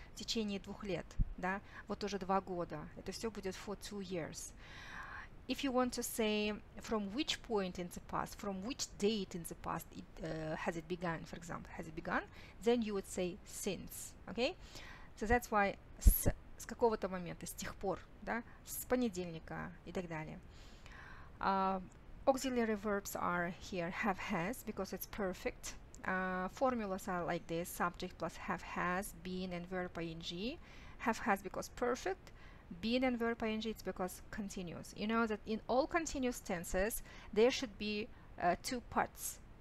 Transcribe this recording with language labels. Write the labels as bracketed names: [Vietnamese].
[Russian] В течение двух лет, да? Вот уже два года. Это все будет [English] for 2 years. If you want to say from which point in the past, from which date in the past it has it begun, for example, has it begun, then you would say since. Okay? So that's why [Russian] с какого-то момента, с тех пор, да? С понедельника и так далее. [English] Auxiliary verbs are here have, has, because it's perfect. Formulas are like this: subject plus have, has, been, and verb ing. Have, has, because perfect. Been and verb ing, it's because continuous. You know that in all continuous tenses, there should be two parts.